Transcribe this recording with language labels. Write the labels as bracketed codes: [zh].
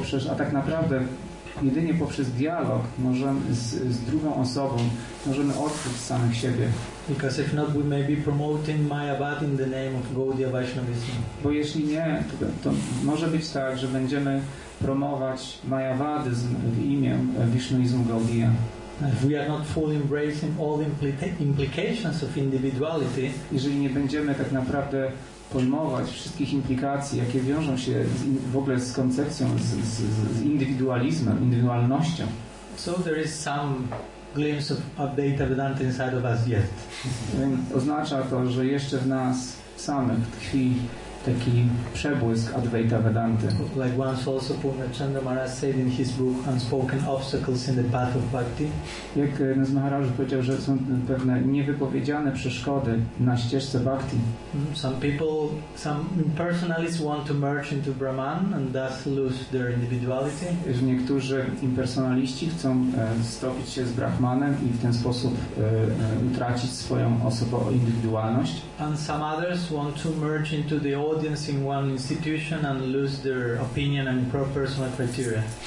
[pl] A tak naprawdę jedynie poprzez dialog możemy z drugą osobą możemy odkryć samych siebie. [en] Because if not, we may be promoting Mayavad in the name of Gaudiya Vaishnavism. [pl] Bo jeśli nie, to może być tak, że będziemy promować Mayavadyzm w imię Wisznuizmu Gaudiya. [en] If we are not fully embracing all implications of individuality, [pl] jeżeli nie będziemy tak naprawdę pojmować wszystkich implikacji, jakie wiążą się w ogóle z koncepcją, z indywidualizmem, indywidualnością. [en] So there is some glimpse of Advaita Vedanta inside of us yet. [pl] Oznacza to, że jeszcze w nas samych tkwi taki przebłysk Advaita Vedanta. [en] Like once also Purnachanda Maharaj said in his book Unspoken Obstacles in the Path of Bhakti. [pl] Jak Nas Maharaj powiedział, że są pewne niewypowiedziane przeszkody na ścieżce Bhakti. [en] Some people, some impersonalists want to merge into Brahman and thus lose their individuality. [pl] Że niektórzy impersonaliści chcą stopić się z Brahmanem i w ten sposób utracić swoją indywidualność. [en] And some others want to merge into the audience in one institution and lose their opinion and personal criteria.